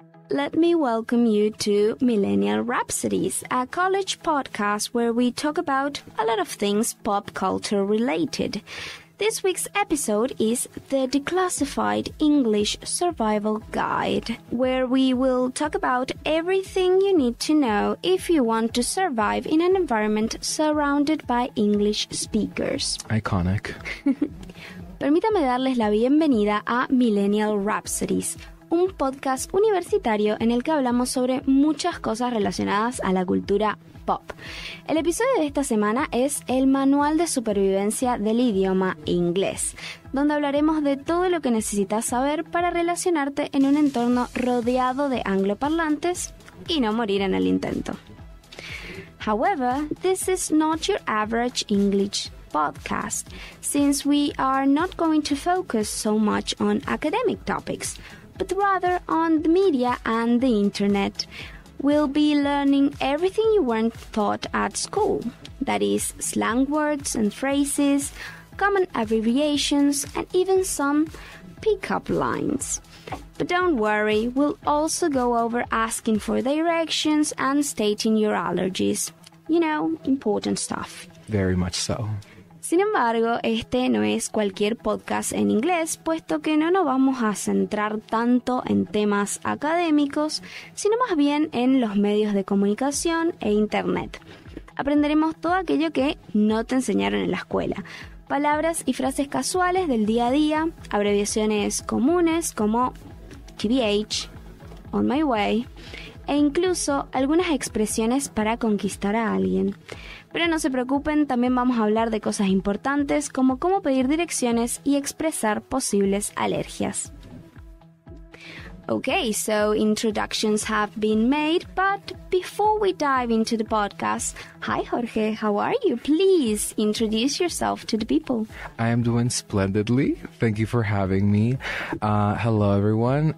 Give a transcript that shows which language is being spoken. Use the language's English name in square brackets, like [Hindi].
[English] Let me welcome you to Millennial Rhapsodies, a college podcast where we talk about a lot of things pop culture related. This week's episode is the Declassified English Survival Guide, where we will talk about everything you need to know if you want to survive in an environment surrounded by English speakers. Iconic. [Spanish] Permítame darles la bienvenida a Millennial Rhapsodies, un podcast universitario en el que hablamos sobre muchas cosas relacionadas a la cultura pop. El episodio de esta semana es el manual de supervivencia del idioma inglés, donde hablaremos de todo lo que necesitas saber para relacionarte en un entorno rodeado de angloparlantes y no morir en el intento. [English] However, this is not your average English podcast, since we are not going to focus so much on academic topics, but rather on the media and the internet. We'll be learning everything you weren't taught at school, that is, slang words and phrases, common abbreviations, and even some pickup lines. But don't worry, we'll also go over asking for directions and stating your allergies. You know, important stuff. Very much so. [Spanish] Sin embargo, este no es cualquier podcast en inglés, puesto que no nos vamos a centrar tanto en temas académicos, sino más bien en los medios de comunicación e internet. Aprenderemos todo aquello que no te enseñaron en la escuela. Palabras y frases casuales del día a día, abreviaciones comunes como TBH, [English] on my way, [Spanish] e incluso algunas expresiones para conquistar a alguien. Pero no se preocupen, también vamos a hablar de cosas importantes como cómo pedir direcciones y expresar posibles alergias. [English] Okay, so introductions have been made, but before we dive into the podcast, hi Jorge, how are you? Please introduce yourself to the people. I am doing splendidly. Thank you for having me. Hello everyone.